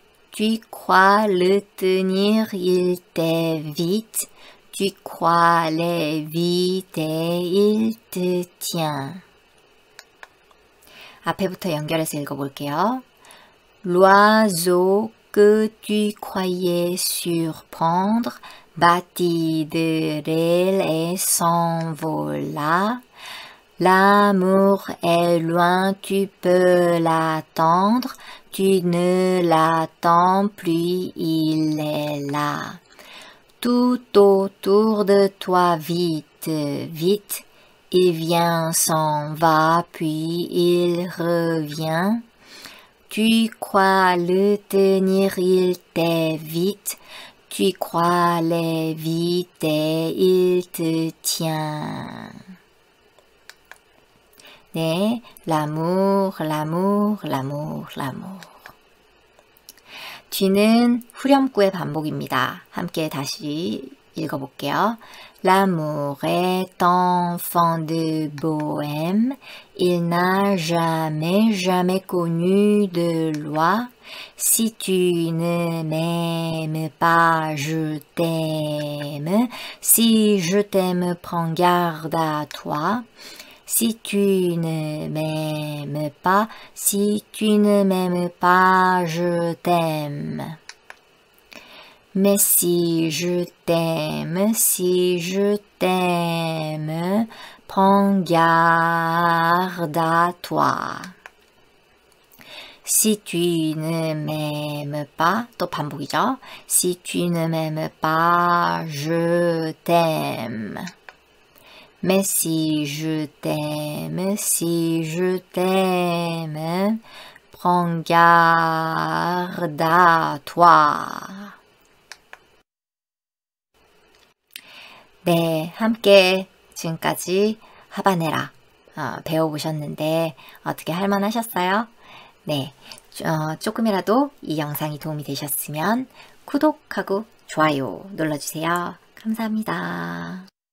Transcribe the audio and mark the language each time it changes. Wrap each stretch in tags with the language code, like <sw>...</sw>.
<fr>Tu crois le tenir. Il t'évite. Tu crois l'éviter. Il te tient.</fr> <ko>앞에부터 연결해서 읽어볼게요.</ko> <fr>L'oiseau que tu croyais surprendre battit de l'aile et s'envola. L'amour est loin, tu peux l'attendre, tu ne l'attends plus, il est là. Tout autour de toi, vite, vite, il vient, s'en va, puis il revient. Tu crois le tenir, il t'évite. Tu crois l'éviter, il te tient. 네, l'amour, l'amour, l'amour, l'amour.</fr> <ko>뒤는 후렴구의 반복입니다. 함께 다시 읽어볼게요.</ko> <fr>L'amour est enfant de bohème, il n'a jamais, jamais connu de loi. Si tu ne m'aimes pas, je t'aime. Si je t'aime, prends garde à toi. Si tu ne m'aimes pas, si tu ne m'aimes pas, je t'aime. Mais si je t'aime, si je t'aime, prends garde à toi. Si tu ne m'aimes pas,</fr> <ko>또 반복이죠?</ko> <fr>Si tu ne m'aimes pas, je t'aime. Mais si je t'aime, si je t'aime, prends garde à toi.</fr> <ko>네, 함께 지금까지 하바네라 배워보셨는데 어떻게 할만하셨어요? 네, 조금이라도 이 영상이 도움이 되셨으면 구독하고 좋아요 눌러주세요. 감사합니다.</ko>